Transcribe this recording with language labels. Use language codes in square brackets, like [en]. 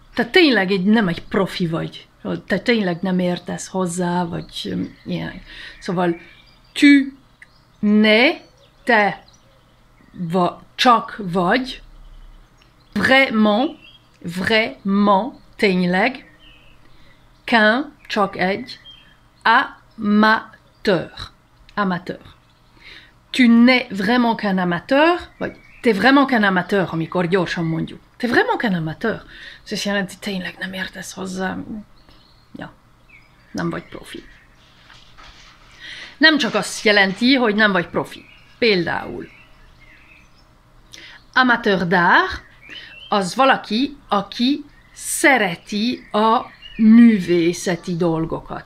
[hu] Te tényleg nem egy profi vagy. Te tényleg nem értesz hozzá, vagy ilyen. Szóval, [fr] tu, [hu] ne, te, csak vagy. [fr] Vraiment, vraiment, [hu] tényleg. [fr] Qu'un, [hu] csak egy. [fr] Amateur. Amateur. Tu n'es vraiment qu'un amateur, [hu] vagy [fr] t'es vraiment qu'un amateur, [hu] amikor gyorsan mondjuk. [fr] T'es vraiment qu'un amateur. [hu] Ez jelenti, tényleg nem értesz hozzá. Ja, nem vagy profi. Nem csak azt jelenti, hogy nem vagy profi. Például. [fr] Amateur d'art, [hu] az valaki, aki szereti a művészeti dolgokat.